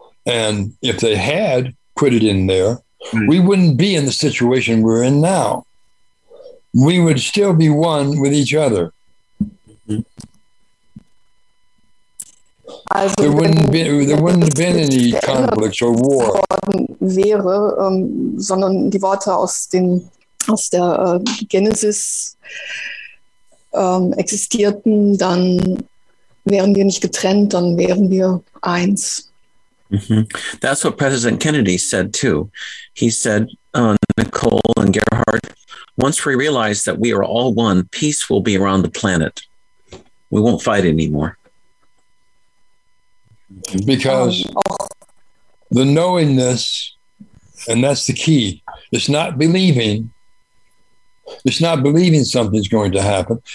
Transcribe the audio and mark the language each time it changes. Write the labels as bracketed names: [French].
[English] And if they had put it in there, we wouldn't be in the situation we're in now. We would still be one with each other. Also, there wouldn't have been any conflicts or war. [German] Wäre, sondern die Worte aus der Genesis existierten, dann wären wir nicht getrennt, dann wären wir eins. Mm-hmm. [English] That's what President Kennedy said too. He said, Nicole and Gerhard, once we realize that we are all one, peace will be around the planet. We won't fight anymore. Because the knowingness, and that's the key, it's not believing something's going to happen.